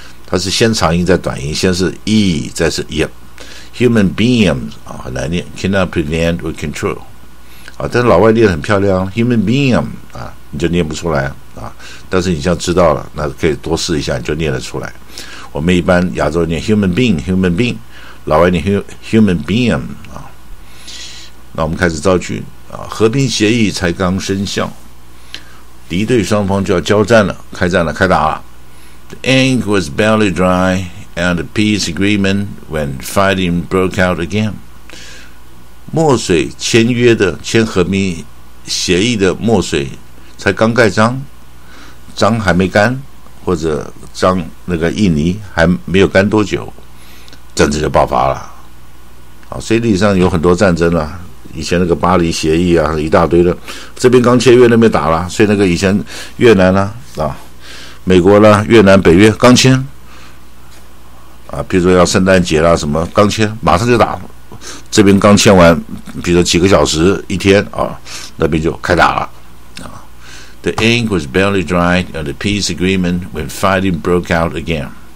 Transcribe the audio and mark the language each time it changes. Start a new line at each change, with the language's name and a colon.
Chinese: 它是先长音再短音，先是 e 再是 m， human beings 啊，很难念，
English: cannot prevent or control
Chinese: 啊，但是老外念很漂亮， human being 啊，你就念不出来啊，但是你像知道了，那可以多试一下，你就念得出来。我们一般亚洲念 human being， human being， 老外念 human being 啊。那我们开始造句啊，和平协议才刚生效，敌对双方就要交战了，开战了，开打了。
English: The ink was barely dry, and the peace agreement when fighting broke out again.
Chinese: 墨水签约的签和平协议的墨水才刚盖章，章还没干，或者章那个印泥还没有干多久，战争就爆发了。啊，所以历史上有很多战争了、啊。以前那个巴黎协议啊，一大堆的，这边刚签约那边打了，所以那个以前越南呢、啊，啊。美国呢，越南北约刚签啊，比如说要圣诞节啦什么，刚签马上就打，这边刚签完，比如说几个小时一天啊，那边就开打了啊。
English: The ink was barely dry on the peace agreement when fighting broke out again。